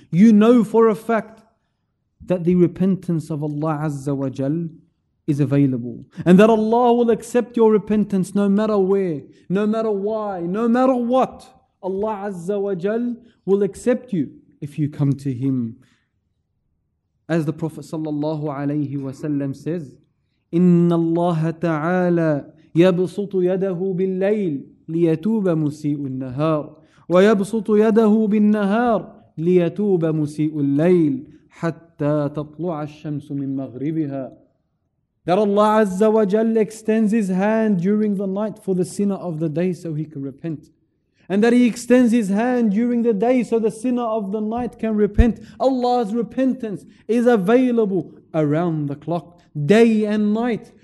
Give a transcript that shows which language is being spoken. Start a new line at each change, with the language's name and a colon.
English: You know for a fact that the repentance of Allah Azza wa Jal is available, and that Allah will accept your repentance no matter where, no matter why, no matter what. Allah Azza wa Jal will accept you if you come to Him. As the Prophet sallallahu alayhi wa sallam says,
Arabic: إِنَّ اللَّهَ تَعَالَى يَبْسُطُ يَدَهُ بِاللَّيْلِ ليتوب مسيء النهار، ويبسط يده بالنهار ليتوب مسيء الليل حتى تطلع الشمس من مغربها.
English: That Allah Azza wa Jal extends His hand during the night for the sinner of the day so he can repent. And that He extends His hand during the day so the sinner of the night can repent. Allah's repentance is available around the clock, day and night.